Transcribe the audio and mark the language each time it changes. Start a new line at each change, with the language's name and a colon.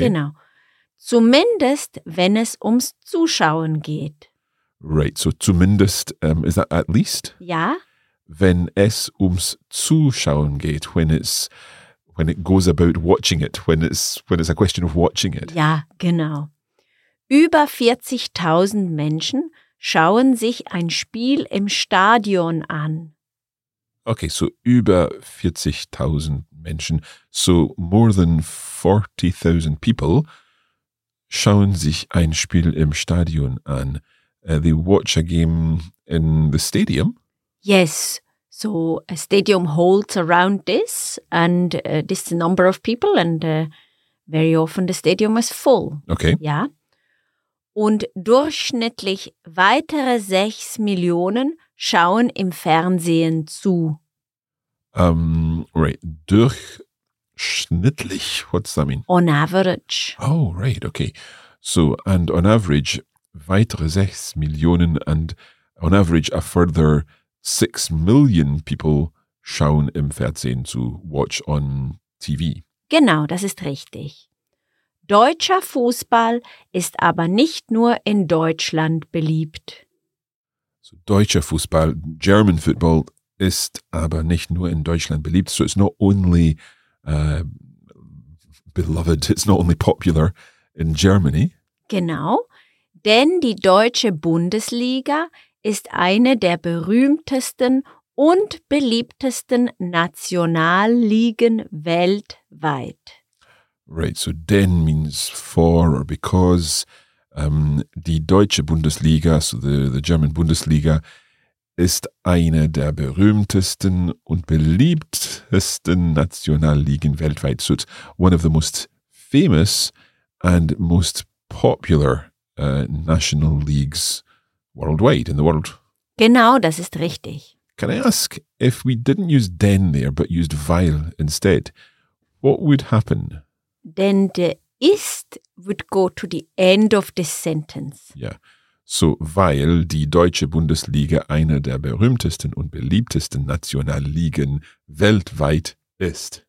German: Genau. Zumindest, wenn es ums Zuschauen geht.
English: Right, so zumindest, is that at least?
German: Ja. Wenn es ums Zuschauen geht,
English: when it goes about watching it, when it's a question of watching it.
German: Ja, genau. Über 40.000 Menschen schauen sich ein Spiel im Stadion an. Okay, so über 40.000 Menschen,
English: so more than 40.000 people,
German: schauen sich ein Spiel im Stadion an.
English: They watch a game in the stadium. Yes, so a stadium holds around this, and this is the number of people, and very often the stadium is full. Okay.
German: Ja. Und durchschnittlich weitere 6 Millionen schauen im Fernsehen zu.
English: Right. Durchschnittlich, what's that mean? On average. Oh, right, okay. So, and on average,
German: weitere 6 Millionen
English: and on average a further 6 million people
German: schauen im Fernsehen zu,
English: watch on TV.
German: Genau, das ist richtig. Deutscher Fußball ist aber nicht nur in Deutschland beliebt. So, deutscher Fußball,
English: German football,
German: ist aber nicht nur in Deutschland beliebt.
English: So it's not only beloved, it's not only popular in Germany.
German: Genau, denn die deutsche Bundesliga ist eine der berühmtesten und beliebtesten Nationalligen weltweit.
English: Right, so denn means for or because.
German: Die deutsche Bundesliga,
English: so the German Bundesliga,
German: ist eine der berühmtesten und beliebtesten Nationalligen weltweit.
English: So it's one of the most famous and most popular national leagues worldwide, in the world.
German: Genau, das ist richtig.
English: Can I ask, if we didn't use denn there, but used weil instead, what would happen? Denn the ist would go to the end of the sentence. Yeah.
German: So, weil die deutsche Bundesliga eine der berühmtesten und beliebtesten Nationalligen weltweit ist.